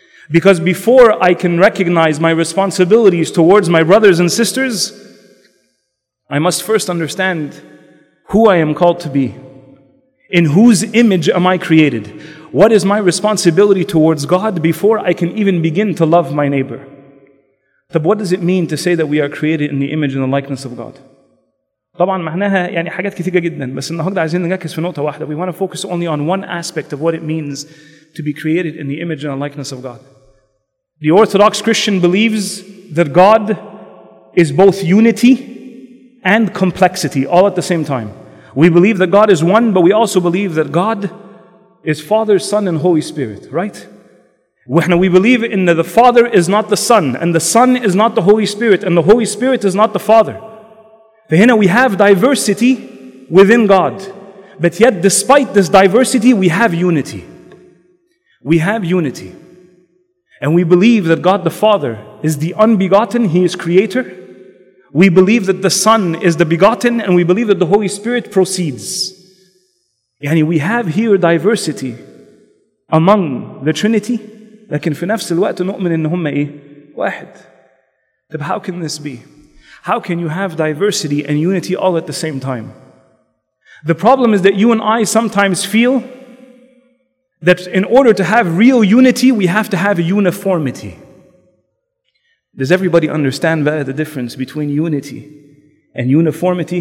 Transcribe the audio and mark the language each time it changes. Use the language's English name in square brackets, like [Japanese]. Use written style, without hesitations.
[English] Because before I can recognize my responsibilities towards my brothers and sisters, I must first understand who I am called to be. In whose image am I created? What is my responsibility towards God before I can even begin to love my neighbor? طب what does it mean to say that we are created in the image and the likeness of God? [Arabic] طبعا معناها يعني حاجات كثيرة جدا, بس النهاردة عايزين نركز في نقطة واحدة. [English] We want to focus only on one aspect of what it means to be created in the image and the likeness of God. The Orthodox Christian believes that God is both unity and complexity, all at the same time. We believe that God is one, but we also believe that God is Father, Son, and Holy Spirit, right? We believe in that the Father is not the Son, and the Son is not the Holy Spirit, and the Holy Spirit is not the Father. We have diversity within God, but yet despite this diversity, we have unity. We have unity. And we believe that God the Father is the unbegotten, He is Creator. We believe that the Son is the begotten, and we believe that the Holy Spirit proceeds. Yani, we have here diversity among the Trinity, [Arabic] لكن في نفس الوقت نؤمن إن هم إيه؟ واحد. [English] طب how can this be? How can you have diversity and unity all at the same time? The problem is that you and I sometimes feel that in order to have real unity, we have to have uniformity. Does everybody understand better the difference between unity and uniformity?